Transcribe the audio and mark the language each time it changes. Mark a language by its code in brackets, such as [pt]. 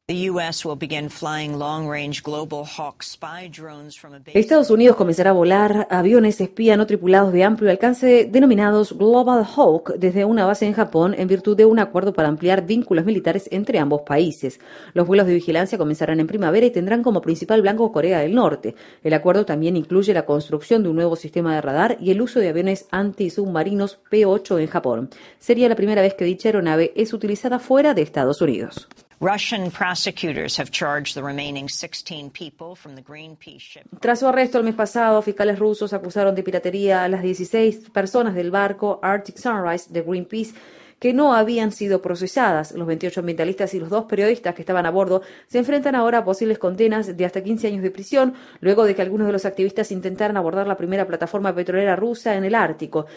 [es] Estados Unidos comenzará a volar aviones espía no tripulados de amplio alcance denominados Global Hawk desde una base en Japón en virtud de un acuerdo para ampliar vínculos militares entre ambos países. Los vuelos de vigilancia comenzarán en primavera y tendrán como principal blanco Corea del Norte. El acuerdo también incluye la construcción de un nuevo sistema de radar y el uso de aviones antisubmarinos P-8 en Japón. Sería la primera vez que dicha aeronave es utilizada fuera de Estados Unidos. [en] Russian prosecutors have charged the remaining 16 people from the Greenpeace ship. [es] Tras su arresto el mes pasado, fiscales rusos acusaron de piratería a las 16 personas del barco Arctic Sunrise de Greenpeace que no habían sido procesadas. Los 28 ambientalistas y los dos periodistas que estaban a bordo se enfrentan ahora a posibles condenas de hasta 15 años de prisión, luego de que algunos de los activistas intentaran abordar la primera plataforma petrolera rusa en el Ártico.